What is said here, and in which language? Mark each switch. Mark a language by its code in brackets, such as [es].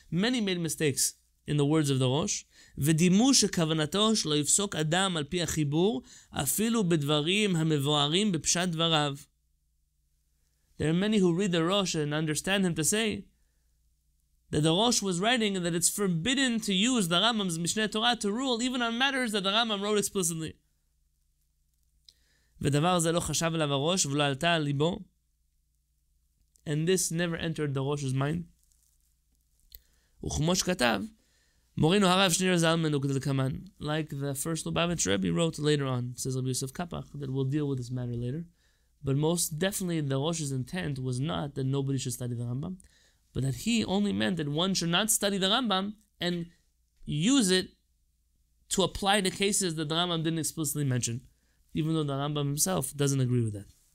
[en] Many made mistakes in the words of the Rosh, [he] ודימו שכוונתו שלא יפסוק אדם על פי החיבור, אפילו בדברים המבוארים בפשט דבריו. [en] There are many who read the Rosh and understand him to say that the Rosh was writing that it's forbidden to use the Rambam's Mishneh Torah to rule even on matters that the Rambam wrote explicitly. [he] ודבר זה לא חשב עליו הראש ולא עלתה על ליבו. [en] And this never entered the Rosh's mind. [he] וכמו שכתב, [en] Morinu Harav Shneir Zalmenu Kedel Kaman, like the first Lubavitch Rebbe wrote later on, says Rabbi Yosef Kapach, that we'll deal with this matter later. But most definitely the Rosh's intent was not that nobody should study the Rambam, but that he only meant that one should not study the Rambam and use it to apply the cases that the Rambam didn't explicitly mention, even though the Rambam himself doesn't agree with that.